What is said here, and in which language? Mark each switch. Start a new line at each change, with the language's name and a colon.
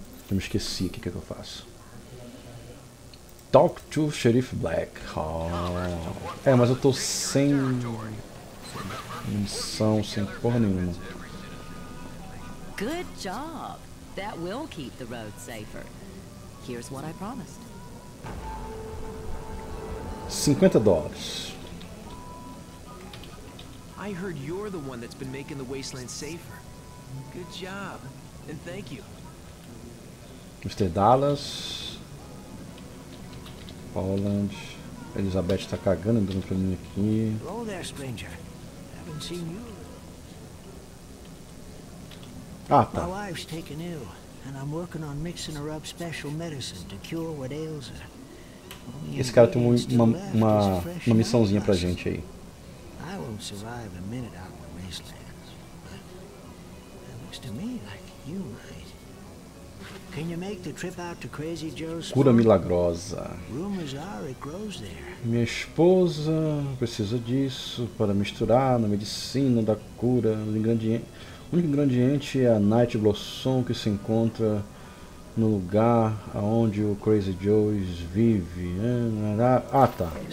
Portuguese: Eu me esqueci aqui. O que é que eu faço?
English: Talk to Sheriff Black.
Portuguese: Oh. É, mas eu tô sem munição, sem porra nenhuma.
English: Good job. That will keep the road safer. Here's what I promised. $50. I heard you're the one that's been making the wasteland safer. Good job, and thank you. Mr. Dallas. Poland.
Portuguese: Elizabeth tá cagando, andando pra mim aqui.
English: Hello there, stranger. Haven't seen you.
Portuguese: Ah, tá.
English: My wife's taken ill, and I'm working on mixing her up special medicine to cure what ails her.
Portuguese: Esse cara tem uma missãozinha pra gente aí.
English: I won't survive a minute out of the wastelands, but it looks to me like you might. Can you make the trip out to Crazy Joe's?
Portuguese: Cura milagrosa.
English: Rumors are it grows there.
Portuguese: Minha esposa precisa disso para misturar na medicina da cura. O único ingrediente é a Night Blossom que se encontra no lugar onde o Crazy Joe's vive. Ah, tá.